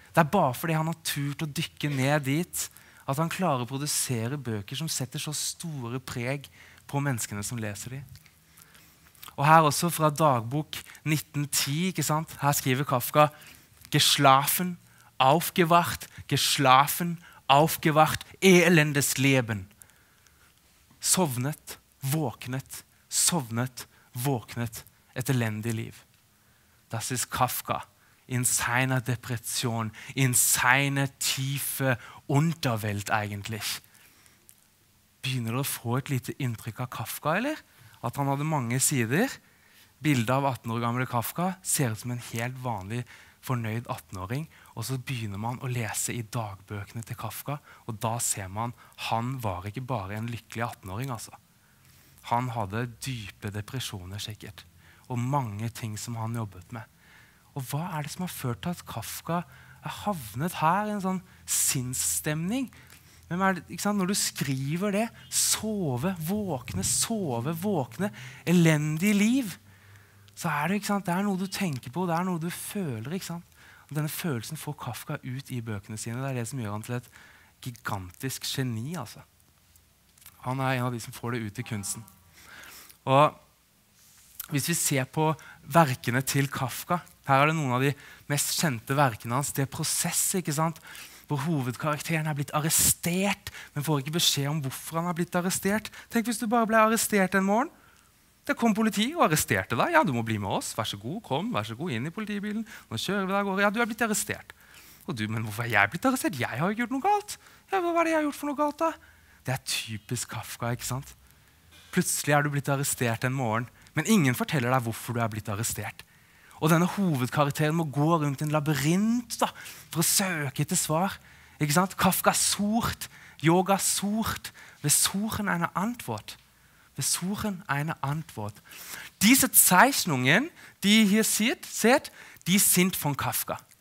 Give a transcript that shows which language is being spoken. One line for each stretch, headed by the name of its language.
Norwegian: Det bare fordi han har turt å dykke ned dit, at han klarer å produsere bøker som setter så store preg på menneskene som leser dem. Og her også fra dagbok 1910, ikke sant? Her skriver Kafka,
German: geschlafen, aufgewacht, geschlafen, aufgewacht, elendes Leben.
Norwegian: Sovnet, våknet, et elendig liv.
German: Das ist Kafka in seiner Depression, in seiner tiefen Unterwelt eigentlich.
Norwegian: Begynner du å få et lite inntrykk av Kafka, eller? At han hadde mange sider. Bildet av 18 år gamle Kafka ser ut som en helt vanlig, fornøyd 18-åring. Og så begynner man å lese i dagbøkene til Kafka, og da ser man han var ikke bare en lykkelig 18-åring, altså. Han hadde dype depresjoner, sikkert. Og mange ting som han jobbet med. Og hva er det som har ført til at Kafka havnet her i en sånn sinnsstemning? Hvem er det, ikke sant? Når du skriver det, sove, våkne, elendig liv, så er det, ikke sant? Det er noe du tenker på, det er noe du føler, ikke sant? Og denne følelsen får Kafka ut i bøkene sine, det er det som gjør han til et gigantisk geni, altså. Han er en av de som får det ut i kunsten. Og hvis vi ser på verkene til Kafka, her er det noen av de mest kjente verkene hans, det er prosess, ikke sant? Hvor hovedkarakteren er blitt arrestert, men får ikke beskjed om hvorfor han er blitt arrestert. Tenk hvis du bare ble arrestert en morgen. Det kom politi og arresterte deg. Ja, du må bli med oss. Vær så god, kom. Vær så god inn i politibilen. Nå kjører vi deg og går. Ja, du er blitt arrestert. Og du, men hvorfor er jeg blitt arrestert? Jeg har ikke gjort noe galt. Ja, hva er det jeg har gjort for noe galt da? Det er typisk Kafka, ikke sant? Plutselig er du blitt arrestert en morgen, men ingen forteller deg hvorfor du er blitt arrestert. Og denne hovedkarakteren må gå rundt en labyrint da, for å søke etter svar. Ikke sant?
German: Kafka sucht, yoga sucht, ved suchen eine Antwort. Ved suchen eine Antwort. Diese Zeichnungen, die ihr hier seht, die sind von Kafka.